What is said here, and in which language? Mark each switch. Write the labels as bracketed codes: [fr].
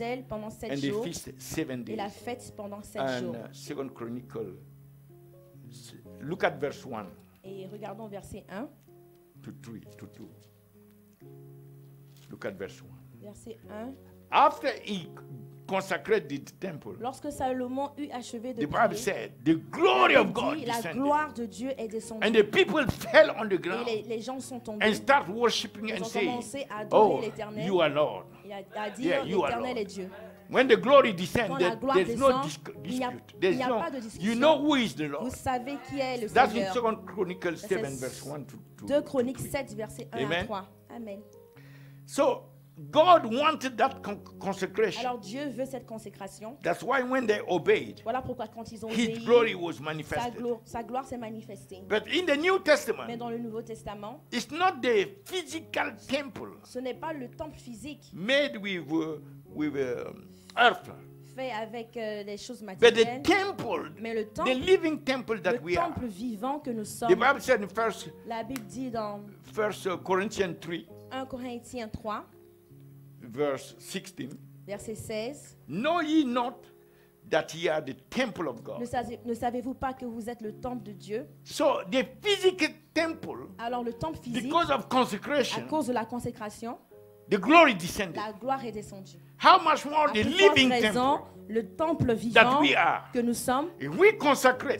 [en] And they feasted 7 days. And 2 Chronicles. Look at verse 1. [fr] Et regardons verset 1. [en] To 2. Look at verse 1. [fr] Verset 1. [en] After he consecrated the temple, [fr] lorsque Salomon eut achevé de [en] the Bible [fr] prier, [en] said, the glory of God [fr] dit, la gloire de Dieu est descendue. [en] And the people fell on the ground. [fr] Et les gens sont tombés. [en] And start worshiping [fr] ils [en] and [fr] ont [en] say, [fr] commencé à adorer [en] oh, [fr] l'Éternel. [en] You are Lord. [fr] Et à dire, [en] yeah, you [fr] l'Éternel [en] are Lord. [fr] Est Dieu. [en] When the glory descends, there's [fr] descend, [en] no dispute. [fr] Il y a [en] no, [fr] pas de discussion. [en] You know who is the Lord. [fr] Vous savez qui est le [en] That's [fr] Seigneur. [en] That's in 2 Chronicles 7, verse 1 to 2. [fr] 2 Chroniques 7, verset 1 [en] Amen. [fr] À 3. Amen. [en] So, God wanted that consecration. [fr] Alors Dieu veut cette consécration. [en] That's why when they obeyed, [fr] voilà pourquoi quand ils ont [en] His [fr] obéi, [en] glory was manifested. [fr] Sa gloire s'est manifestée. [en] But in the New Testament, [fr] mais dans le Nouveau Testament, [en] it's not the physical temple. [fr] Ce n'est pas le temple physique. [en] Made with earth. [fr] Fait avec des choses matérielles. [en] But the temple, [fr] mais le temple, [en] the living temple that we are. [fr] Le temple vivant que nous sommes. [en] The Bible said in first, [fr] la Bible dit dans [en] 1 Corinthians 3. [fr] Verset 16. [en] Know ye not that ye are the temple of God? [fr] Ne savez-vous pas que vous êtes le temple de Dieu? [en] So the physical temple. [fr] Alors le temple physique. [en] Because of consecration. [fr] À cause de la consécration. [en] The glory descended. [fr] La gloire est descendue. [en] How much more [fr] à [en] the living [fr] raison, [en] temple? [fr] Le temple vivant [en] that we are, [fr] que nous sommes. [en] If we consecrate.